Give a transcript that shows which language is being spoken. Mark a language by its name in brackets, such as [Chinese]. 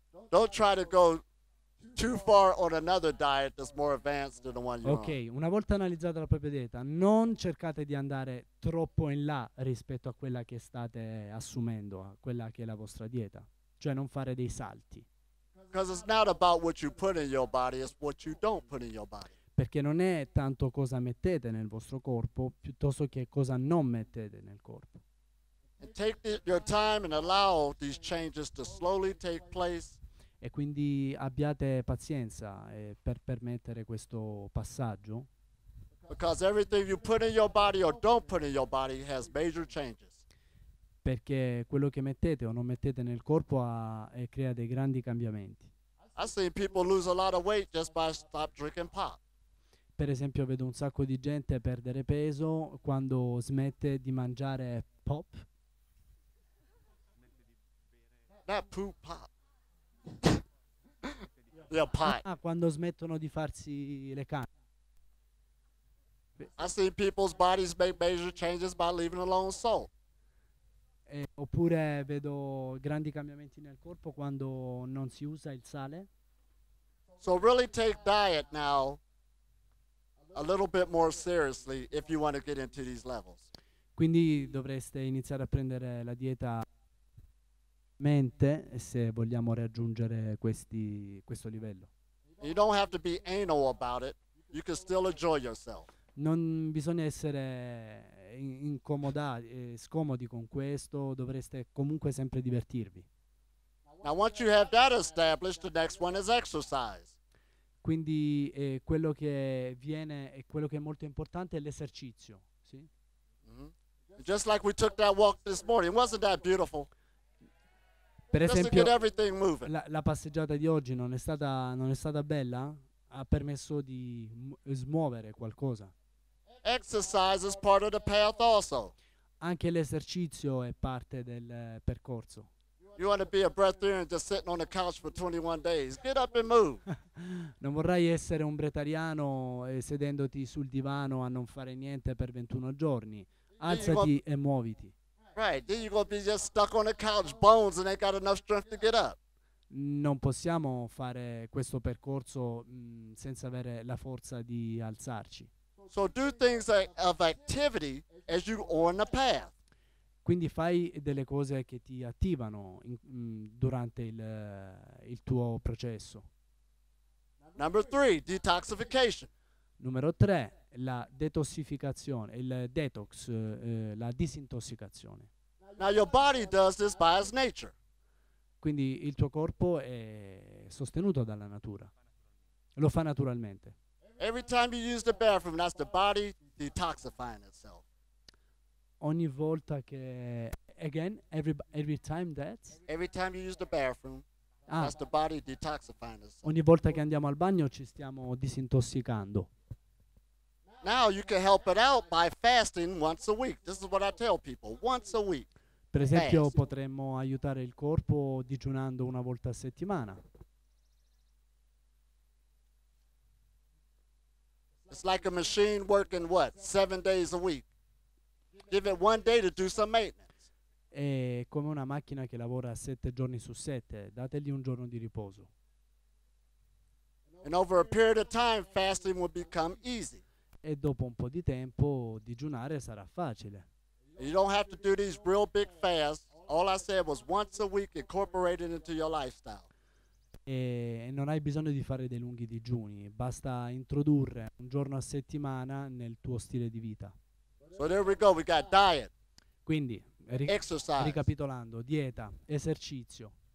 [English] Don't try to go too far on another diet that's more advanced than the one you're okay, on. [Italian] Ok, una volta analizzata la propria dieta, non cercate di andare troppo in là rispetto a quella che state assumendo, a quella che è la vostra dieta. Cioè non fare dei salti. [English] Because it's not about what you put in your body, it's what you don't put in your body. [Italian] Perché non è tanto cosa mettete nel vostro corpo, piuttosto che cosa non mettete nel corpo. [English] And take your time and allow these changes to slowly take place. [Italian] E quindi abbiate pazienza per permettere questo passaggio. [English] Because everything you put in your body or don't put in your body has major changes. [Italian] Perché quello che mettete o non mettete nel corpo ha, e crea dei grandi cambiamenti. [English] I've seen people lose a lot of weight just by stop drinking pop. [Italian] Per esempio, vedo un sacco di gente perdere peso quando smette di mangiare pop. [English] Not poop pop. Yeah, pot. [Italian] Ah, quando smettono di farsi le canne. [English] I've seen people's bodies make major changes by leaving alone salt. [Italian] Oppure vedo grandi cambiamenti nel corpo quando non si usa il sale. [English] So really take diet now a little bit more seriously if you want to get into these levels. [Italian] Quindi dovreste iniziare a prendere la dieta mente se vogliamo raggiungere questo livello. [English] You don't have to be anal about it. You can still enjoy yourself. [Italian] Non bisogna essere incomodati, scomodi con questo, dovreste comunque sempre divertirvi. [English] Now once you have that established, the next one is exercise. [Italian] Quindi quello che viene e quello che è molto importante è l'esercizio, sì? Mm-hmm. [English] Just like we took that walk this morning, wasn't that beautiful? [Italian] Per esempio, [English] just to get everything moving. [Italian] La passeggiata di oggi non è stata bella? Ha permesso di smuovere qualcosa. [English] Exercise is part of the path also. [Italian] Anche l'esercizio è parte del percorso. [English] You want to be a breatharian just sitting on the couch for 21 days? Get up and move. [Italian] Non vorrai essere un breatariano sedendoti sul divano a non fare niente per 21 giorni. Alzati e muoviti. [English] Right, then you're gonna be just stuck on the couch, bones, and ain't got enough strength to get up. [Italian] Non possiamo fare questo percorso senza avere la forza di alzarci. [English] So do things of activity as you on the path. [Italian] Quindi fai delle cose che ti attivano durante il tuo processo. [English] Number three, detoxification. [Italian] Numero tre, la detossificazione, il detox, la disintossicazione. [English] Now your body does this by its nature. [Italian] Quindi il tuo corpo è sostenuto dalla natura. Lo fa naturalmente. [English] Every time you use the bathroom, that's the body detoxifying itself. [Italian] Ogni volta che [English] every time you use the bathroom, that's the body detoxifying itself. [Italian] Ogni volta che andiamo al bagno ci stiamo disintossicando. [English] Now you can help it out by fasting once a week. This is what I tell people, once a week. [Italian] Per esempio, potremmo aiutare il corpo digiunando una volta a settimana. [English] It's like a machine working what? 7 days a week. Give it one day to do some maintenance. [Italian] È come una macchina che lavora 7 giorni su 7. Dategli un giorno di riposo. [English] And over a period of time, fasting will become easy. [Italian] E dopo un po' di tempo, digiunare sarà facile. [English] You don't have to do these real big fasts. All I said was once a week, incorporate it into your lifestyle. [Italian] E non hai bisogno di fare dei lunghi digiuni, basta introdurre un giorno a settimana nel tuo stile di vita. [English] So there we go, we got diet. [Italian] Quindi, [English] exercise. [Italian] Ricapitolando, dieta, esercizio,